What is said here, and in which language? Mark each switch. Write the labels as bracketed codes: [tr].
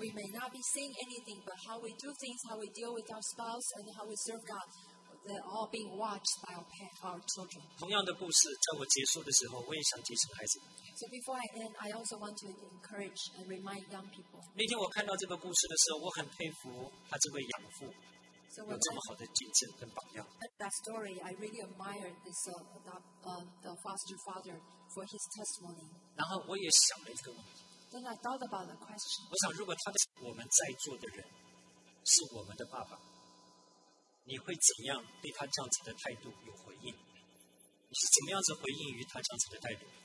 [en] We may not be seeing anything, but how we do things, how we deal with our spouse, and how we serve God, they're all being watched by our parents, our children. [zh] 同样的故事，在我结束的时候，我也想提醒孩子。 [en] So before I end, I also want to encourage and remind young people. [zh] 那天我看到这个故事的时候，我很佩服他这位养父。有这么好的见证跟榜样。 [en] That story, I really admire this the foster father for his testimony. [zh] 然后我也想了一个问题。 [en] Then I thought about the question. [zh] 我想，如果他是我们在座的人，是我们的爸爸，你会怎样对他这样子的态度有回应？你是怎么样子回应于他这样子的态度